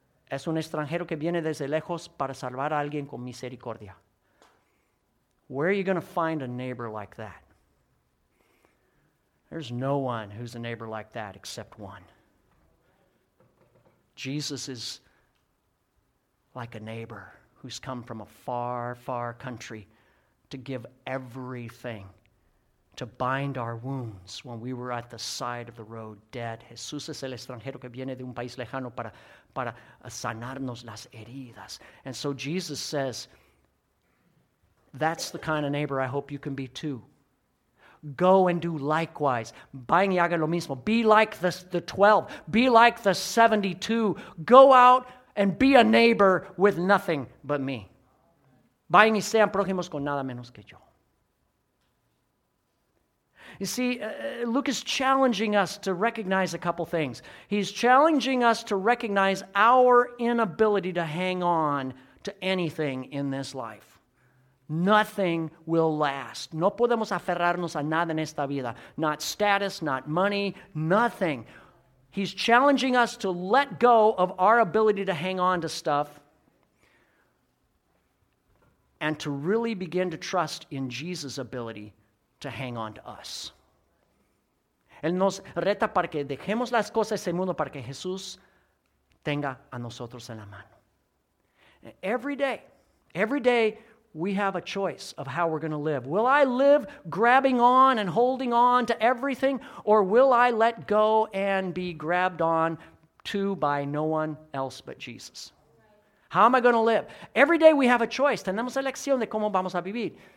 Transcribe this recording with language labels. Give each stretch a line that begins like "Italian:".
Spanish: Es un extranjero que viene desde lejos para salvar a alguien con misericordia.
English: Where are you going to find a neighbor like that? There's no one who's a neighbor like that except one. Jesus is like a neighbor who's come from a far, far country to give everything, to bind our wounds when we were at the side of the road dead.
Spanish: Jesús es el extranjero que viene de un país lejano para sanarnos las heridas.
English: And so Jesus says, that's the kind of neighbor I hope you can be too. Go and do likewise.
Spanish: Vayan y hagan lo mismo.
English: Be like the 12. Be like the 72. Go out and be a neighbor with nothing but me.
Spanish: Vayan y sean prójimos con nada menos que yo.
English: You see, Luke is challenging us to recognize a couple things. He's challenging us to recognize our inability to hang on to anything in this life. Nothing will last.
Spanish: No podemos aferrarnos a nada en esta vida.
English: Not status, not money, nothing. He's challenging us to let go of our ability to hang on to stuff and to really begin to trust in Jesus' ability to hang on to us.
Spanish: Él nos reta para que dejemos las cosas de ese mundo para que Jesús tenga a nosotros en la mano.
English: Every day, we have a choice of how we're going to live. Will I live grabbing on and holding on to everything, or will I let go and be grabbed on to by no one else but Jesus? How am I going to live? Every day we have a choice.
Spanish: Tenemos elección de cómo vamos a vivir.